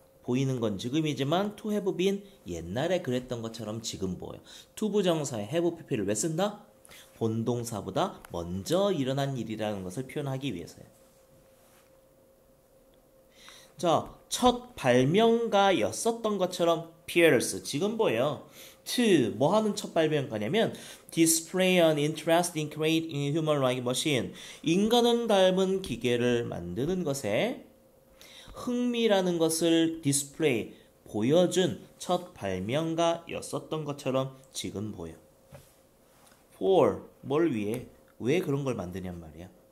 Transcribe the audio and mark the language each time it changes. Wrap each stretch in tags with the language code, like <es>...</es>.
<ko>보이는 건 지금이지만</ko> <en>to have been</en> <ko>옛날에 그랬던 것처럼 지금 보여. to 부정사에 have PP를 왜 쓴다? 본 동사보다 먼저 일어난 일이라는 것을 표현하기 위해서야. 자, 첫 발명가였었던 것처럼 Pierce 지금 보여.</ko> <en>to</en> <ko>뭐 하는 첫 발명가냐면</ko> <en>display an interest in creating human like machine.</en> <ko>인간을 닮은 기계를 만드는 것에 흥미라는 것을 디스플레이 보여준 첫 발명가였었던 것처럼 지금 보여. For 뭘 위해? 왜 그런 걸 만드냔 말이야?</ko>